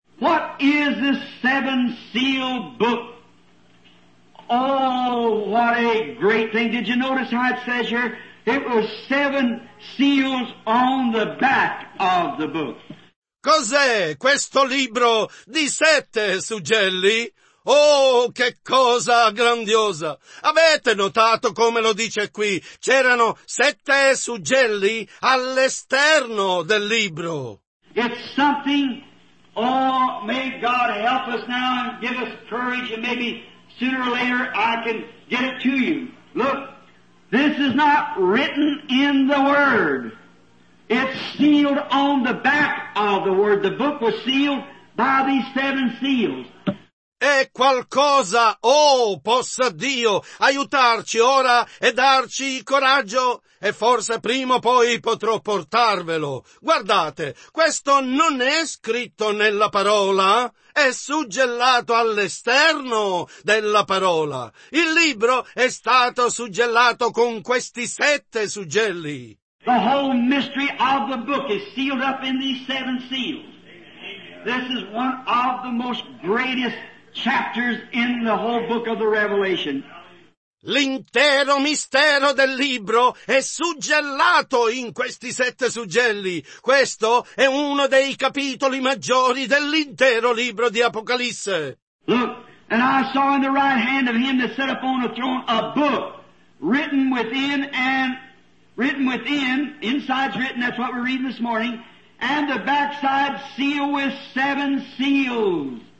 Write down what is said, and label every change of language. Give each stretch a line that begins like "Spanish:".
English: What is this seven seal book? Oh, what a great thing. Did you notice how it says here? It was seven seals on the back of the book.
Italian: Cos'è questo libro di sette suggelli? Oh, che cosa grandiosa! Avete notato come lo dice qui? C'erano sette suggelli all'esterno del libro.
English: It's something, oh, may God help us now and give us courage and maybe sooner or later I can get it to you. Look, this is not written in the Word. It's sealed on the back of the Word. The book was sealed by these seven seals.
Italian: È qualcosa, oh, possa Dio aiutarci ora e darci coraggio, e forse prima o poi potrò portarvelo. Guardate, questo non è scritto nella parola, è suggellato all'esterno della parola. Il libro è stato suggellato con questi sette suggelli.
English: The whole mystery of the book is sealed up in these seven seals. This is one of the most greatest chapters in the whole book of the Revelation.
Italian: L'intero mistero del libro è suggellato in questi sette suggelli. Questo è uno dei capitoli maggiori dell'intero libro di Apocalisse.
English: Look, and I saw in the right hand of him that sat upon the throne a book written within and written within, inside's written, that's what we're reading this morning, and the backside sealed with seven seals.